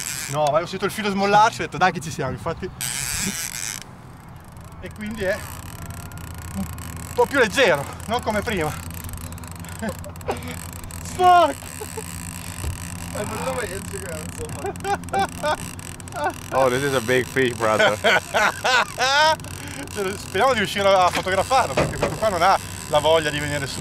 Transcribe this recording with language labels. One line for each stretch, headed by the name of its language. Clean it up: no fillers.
Italian: no, ma ho sentito il filo smollarci, ho detto dai che ci siamo, infatti. E quindi è un po' più leggero, non come prima.
English: Fuck! I put it on my Instagram so much. Oh, this is a big fish, brother.
Italian: Speriamo di riuscire a fotografarlo, perché questo qua non ha la voglia di venire su.